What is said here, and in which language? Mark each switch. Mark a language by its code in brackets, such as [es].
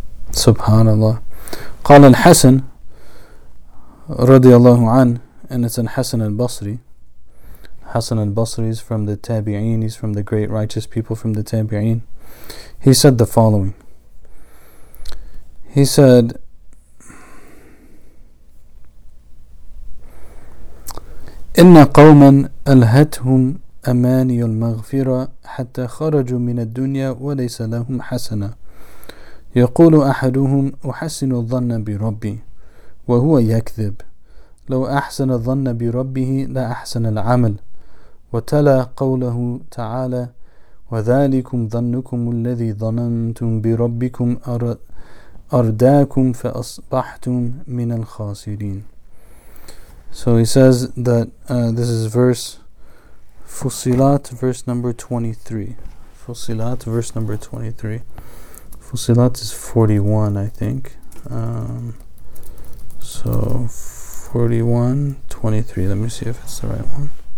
[en] Subhanallah. [ar] Qala al-Hasan radiyallahu an, [en] and it's in Hasan al-Basri. Hasan al-Basri is from the Tabi'een, he's from the great righteous people from the Tabi'een. He said the following. He said, [ar] إِنَّ قَوْمًا أَلْهَتْهُمْ أَمَانِيُ الْمَغْفِرَةِ حَتَّى خَرَجُوا مِنَ الدُّنْيَا وَلَيْسَ لَهُمْ حَسَنًا يَقُولُ أَحَدُهُمْ أُحَسِّنُ الظَّنَّ بِرَبِّي وَهُوَ يَكْذِبُ لَوْ أَحْسَنَ الظَّنَّ بِرَبِّهِ لَأَحْسَنَ الْعَمَلُ وتلا قوله تعالى وذلكم ظنكم الذي ظننتم بربكم أرداكم فأصبحتم من الخاسرين. [en] So he says that this is verse Fusilat, verse number 23. Fusilat, verse number 23. Fusilat is 41, I think. So 41, 23. Let me see if it's the right one.